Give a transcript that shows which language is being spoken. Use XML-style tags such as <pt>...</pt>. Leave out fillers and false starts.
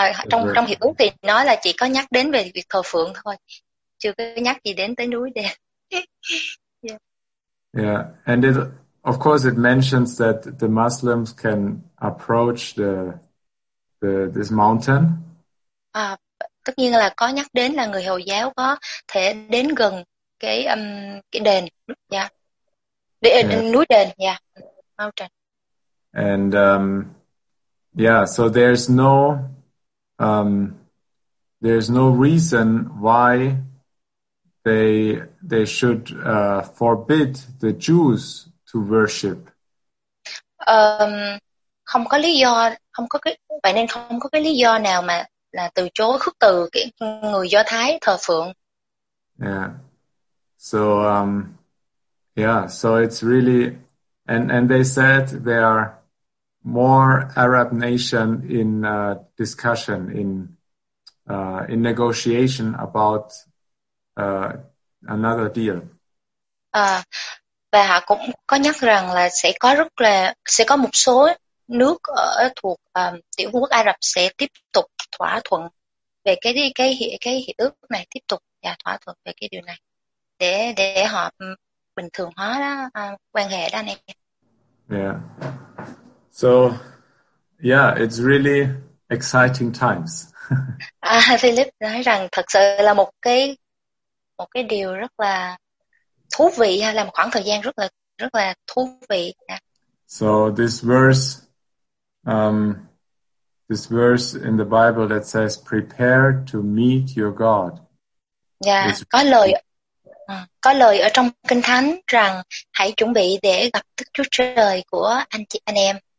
<vi>Trong trong hiệp ước thì nói là chỉ có nhắc đến về việc thờ phượng thôi, chưa có nhắc gì đến tới núi đèn.</vi> <en>And it of course it mentions that the Muslims can approach the this mountain.</en> <vi>Tất nhiên là có nhắc đến là người Hồi giáo có thể đến gần cái đền, núi đền, mountain.</vi> <en>And so there's no reason why they should forbid the Jews to worship.</en> <vi>Không có lý do, không có cái vậy nên không có cái lý do nào mà là từ chối, khước từ cái người Do Thái thờ phượng.</vi> <en>So it's really, and they said there are more Arab nation in discussion in negotiation about another deal.</en> <vi>Và họ cũng có nhắc rằng là sẽ có một số nước ở thuộc tiểu vương quốc Ả Rập sẽ tiếp tục thỏa thuận về cái hiệp ước này, tiếp tục và thỏa thuận về cái điều này để họ bình thường hóa đó, quan hệ đó này.</vi> <en>It's really exciting times.</en> <vi>Philip nói rằng thật sự là một cái điều rất là thú vị, là một khoảng thời gian rất là thú vị.</vi> <en>So this verse in the Bible that says prepare to meet your God is</en> <vi>Có lời ở trong Kinh Thánh rằng hãy chuẩn bị để gặp Đức Chúa Trời của anh chị anh em.</vi>